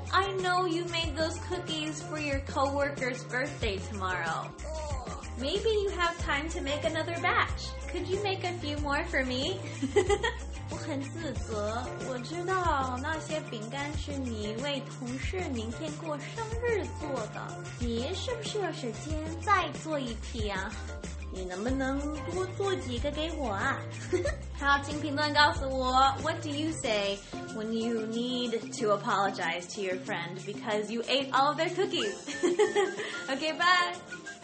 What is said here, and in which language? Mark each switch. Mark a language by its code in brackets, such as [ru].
[en] I know you made those cookies for your coworker's birthday tomorrow. Maybe you have time to make another batch. Could you make a few more for me? [zh] 我很自责。我知道那些饼干是你为同事明天过生日做的。你是不是有时间再做一批啊？你能不能多做几个给我啊？好，请评论告诉我 [en] What do you say when you need to apologize to your friend because you ate all of their cookies? Okay, bye!